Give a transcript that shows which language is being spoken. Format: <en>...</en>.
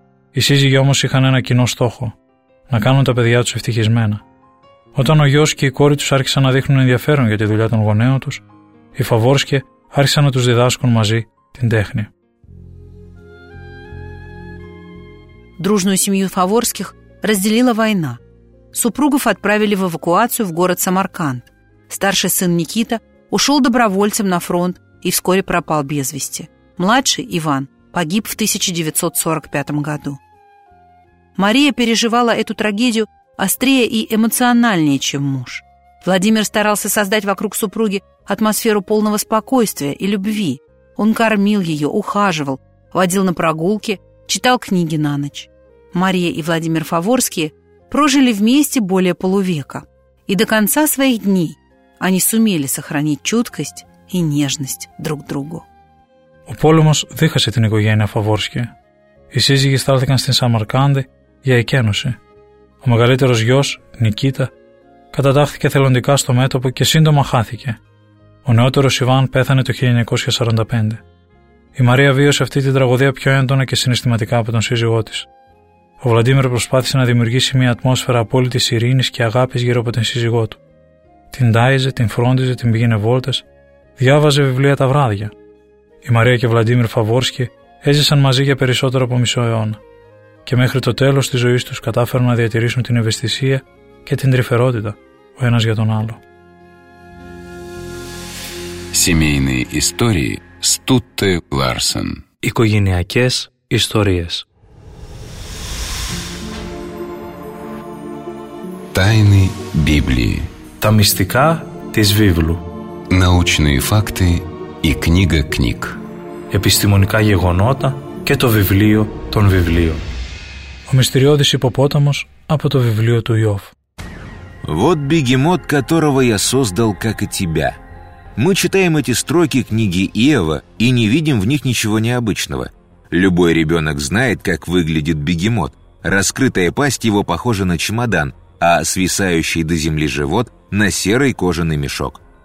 <el>Οι σύζυγοι όμως είχαν ένα κοινό στόχο: να κάνουν τα παιδιά τους ευτυχισμένα. Όταν ο γιος και η κόρη τους άρχισαν να δείχνουν ενδιαφέρον για τη δουλειά των γονέων τους, οι Φαβόρσκοι άρχισαν να τους διδάσκουν μαζί την τέχνη.</el> <ru>Дружную семью Фаворских разделила война. Супругов отправили в эвакуацию в город Самарканд. Старший сын Никита ушел добровольцем на фронт и вскоре пропал без вести. Младший, Иван, погиб в 1945 году. Мария переживала эту трагедию острее и эмоциональнее, чем муж. Владимир старался создать вокруг супруги атмосферу полного спокойствия и любви. Он кормил ее, ухаживал, водил на прогулки, читал книги на ночь. Мария и Владимир Фаворские прожили вместе более полувека, и до конца своих дней они сумели сохранить чуткость и нежность друг к другу.</ru> <el>Ο πόλεμος δίχασε την οικογένεια Φαβόρσκη. Οι σύζυγοι στάλθηκαν στην Σαμαρκάνδη για εκένωση. Ο μεγαλύτερος γιος, Νικήτα, κατατάχθηκε θελοντικά στο μέτωπο και σύντομα χάθηκε. Ο νεότερος Ιβάν πέθανε το 1945. Η Μαρία βίωσε αυτή την τραγωδία πιο έντονα και συναισθηματικά από τον σύζυγό της. Ο Βλαντίμιρ προσπάθησε να δημιουργήσει μια ατμόσφαιρα απόλυτης ειρήνης και αγάπης γύρω από την σύζυγό του. Την τάιζε, την φρόντιζε, την πήγαινε βόλτες, διάβαζε βιβλία τα βράδια. Η Μαρία και ο Βλαντίμιρ Φαβόρσκι έζησαν μαζί για περισσότερο από μισό αιώνα. Και μέχρι το τέλος της ζωής τους κατάφεραν να διατηρήσουν την ευαισθησία και την τρυφερότητα ο ένας για τον άλλο.</el> <ru>Семейные истории Стутте Ларсен.</ru> <el>Οικογενειακές ιστορίες.</el> <ru>Тайны Библии.</ru> <el>Τα μυστικά της Βίβλου.</el> <ru>Научные факты и книга книг.</ru> <el>Επιστημονικά γεγονότα και το βιβλίο των βιβλίων. Ο μυστηριώδης υποπόταμος από το βιβλίο του Ιώβ.</el> <ru>Вот бегемот, которого я создал, как и тебя. Мы читаем эти строки книги Иова и не видим в них ничего необычного. Любой ребенок знает, как выглядит бегемот. Раскрытая пасть его похожа на чемодан, а свисающий до земли живот – на серый кожаный мешок.</ru>